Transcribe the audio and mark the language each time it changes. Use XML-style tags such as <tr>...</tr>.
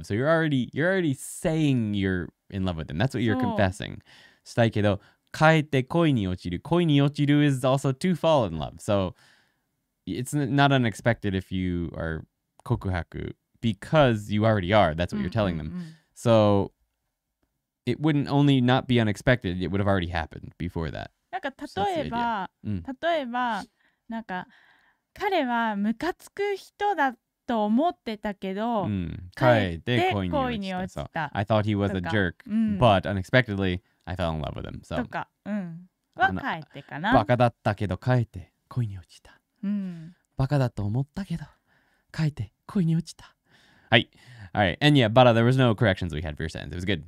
<en>So you're already saying you're in love with them. That's what you're confessing.</en> <ja>したいけど、かえって恋に落ちる。恋に落ちる</ja> <en>is also to fall in love. So, it's not unexpected if you are</en> <ja>告白</ja> <en>because you already are. That's what you're telling them. So, it wouldn't only not be unexpected, it would have already happened before that.</en> <ja>なんか例えば、なんか彼はムカつく人だと思ってたけど、かえって恋に落ちた。</ja> <en>So, I thought he was a jerk, but unexpectedly,I fell in love with him. So,</en> <ja>とか、は帰ってかな。バカだったけど帰って恋に落ちた。バカだと思ったけど帰って恋に落ちた。</ja> <en>はい。All right. And yeah, but there was no corrections we had for your sentence. It was good.</en>